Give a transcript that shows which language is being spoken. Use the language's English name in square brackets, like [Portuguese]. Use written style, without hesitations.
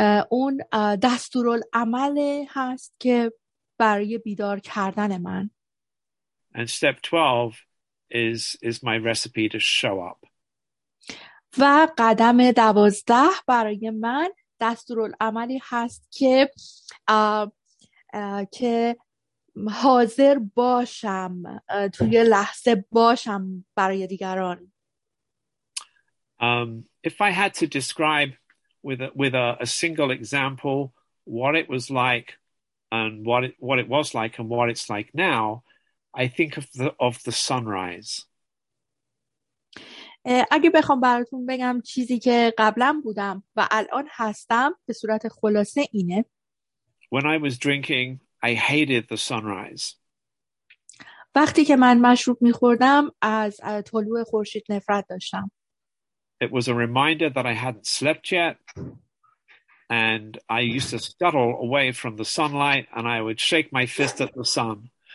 [Persian] اون دستورالعمل هست که برای بیدار کردن من. [English] And step 12 is my recipe to show up. [Persian] و قدم 12 برای من دستورالعملی هست که که حاضر باشم توی لحظه باشم برای دیگران. [English] If I had to describe with a single example what it was like and what it was like and what it's like now, I think of the sunrise. [Persian] اگه بخوام براتون بگم چیزی که قبلا بودم و الان هستم به صورت خلاصه اینه. [English] When I was drinking, I hated the sunrise. [Persian] وقتی که من مشروب می‌خوردم از طلوع خورشید نفرت داشتم. [English] It was a reminder that I hadn't slept yet and I used to scuttle away from the sunlight and I would shake my fist at the sun.